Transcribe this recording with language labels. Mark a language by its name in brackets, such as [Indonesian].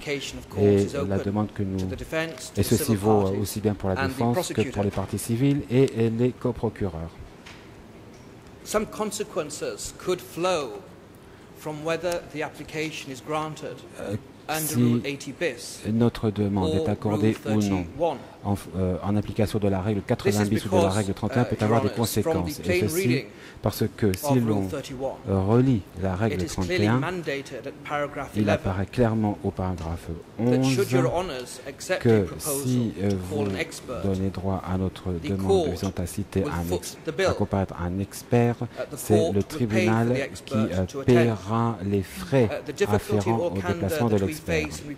[French] Et la demande que nous... Et ceci vaut aussi bien pour la défense que pour les parties civiles et les coprocureurs. [English] Some consequences could flow from whether the application is granted under [French] si [English] Rule 80 bis [French] notre demande est accordée ou non en application de la règle 80 bis ou de la règle 31 peut avoir des conséquences. Et ceci parce que si l'on relit la règle 31, il apparaît clairement au paragraphe 11 que si vous donnez droit à notre demande visant à citer un expert, à comparaître un expert, c'est le tribunal qui paiera les frais afférents au déplacement de l'expert.